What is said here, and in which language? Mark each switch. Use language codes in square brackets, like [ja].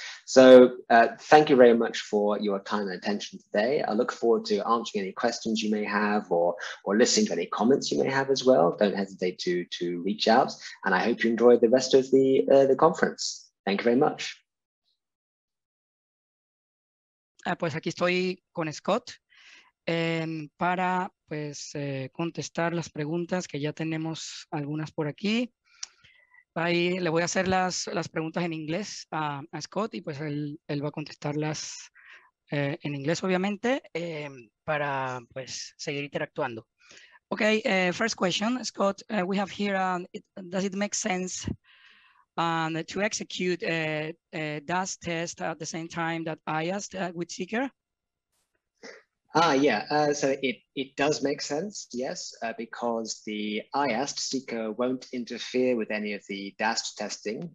[en] So thank you very much for your time and attention today. I look forward to answering any questions you may have or listening to any comments you may have as well. Don't hesitate to reach out, and I hope you enjoy the rest of the conference. Thank you very much. [es] Pues aquí estoy con Scott para contestar las preguntas que ya tenemos algunas por aquí. Ahí le voy a hacer las preguntas en inglés a Scott y pues él va a contestarlas en inglés, obviamente, para pues seguir interactuando. [en] Okay, first question, Scott. We have here, does it make sense to execute a DAS test at the same time that IAST with Seeker? So it does make sense, yes, because the IAST Seeker won't interfere with any of the DAS testing.